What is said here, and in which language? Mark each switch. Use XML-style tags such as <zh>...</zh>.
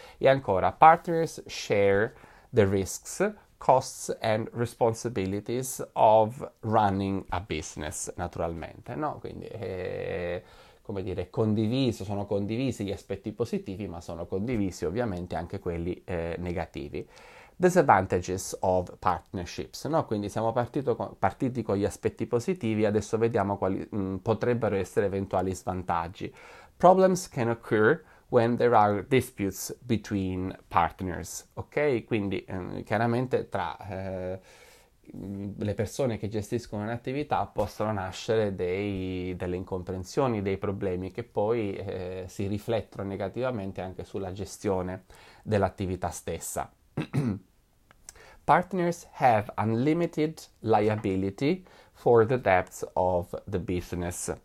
<en>E ancora, partners share the risks, costs and responsibilities of running a business,</en> <it>naturalmente, no? Quindi, come dire, sono condivisi gli aspetti positivi, ma sono condivisi ovviamente anche quelli negativi.</it> <en>Disadvantages of partnerships, no?</en> <it>Quindi siamo partiti con gli aspetti positivi, adesso vediamo quali potrebbero essere eventuali svantaggi.</it> <en>Problems can occur when there are disputes between partners, ok?</en> <it>Quindi chiaramente tra le persone che gestiscono un'attività possono nascere delle incomprensioni, dei problemi che poi si riflettono negativamente anche sulla gestione dell'attività stessa.</it> <en>Partners have unlimited liability for the debts of the business.</en>